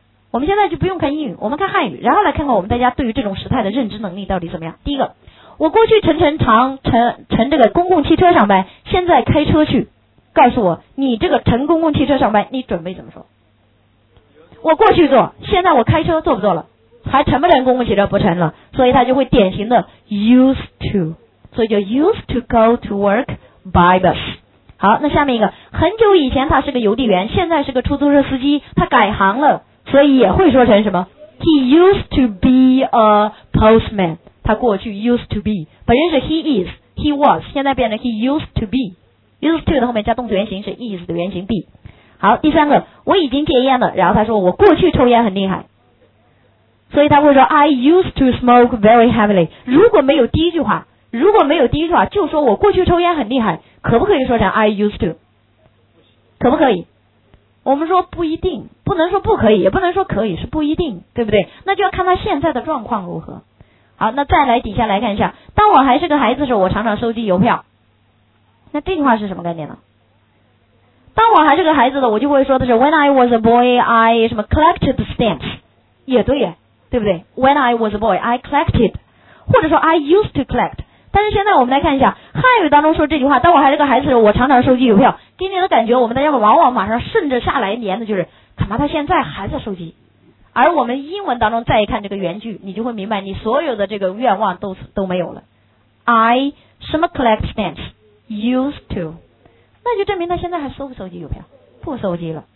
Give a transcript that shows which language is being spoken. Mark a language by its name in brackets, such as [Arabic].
[Chinese] 我们现在就不用看英语，我们看汉语，然后来看看我们大家对于这种时态的认知能力到底怎么样。第一个，我过去乘这个公共汽车上班，现在开车去，告诉我你这个乘公共汽车上班你准备怎么说？我过去坐，现在我开车，坐不坐了？还乘不乘公共汽车？不乘了。所以他就会典型的 [English] used to， [Chinese] 所以就 [English] used to go to work by bus。 [Chinese] 好，那下面一个，很久以前他是个邮递员，现在是个出租车司机，他改行了，所以也会说成什么？ [English] He used to be a postman， [Chinese] 他过去 [English] used to be， [Chinese] 本身是 [English] he is he was， [Chinese] 现在变成 [English] he used to be。 [Chinese] used to 的后面加动词原形是 is 的原形 be。好，第三个，我已经戒烟了，然后他说我过去抽烟很厉害，所以他会说 [English] I used to smoke very heavily。 [Chinese] 如果没有第一句话就说我过去抽烟很厉害，可不可以说成 [English] I used to？ [Chinese] 可不可以？我们说不一定，不能说不可以，也不能说可以，是不一定，对不对？那就要看他现在的状况如何。好，那再来底下来看一下，当我还是个孩子的时候我常常收集邮票，那这句话是什么概念呢？当我还是个孩子的我就会说的是 [English] When I was a boy I [Chinese] 什么 [English] collected stamps， [Chinese] 也对耶，对不对？ [English] When I was a boy I collected， [Chinese] 或者说 [English] I used to collect。 [Chinese] 但是现在我们来看一下汉语当中说这句话，当我还是个孩子我常常收集邮票，给你的感觉我们大家往往马上顺着下来连的就是可能他现在还在收集。而我们英文当中再一看这个原句，你就会明白你所有的这个愿望都没有了。 I 什么 [English] collect stamps used to， [Chinese] 那就证明他现在还收不收集邮票？不收集了。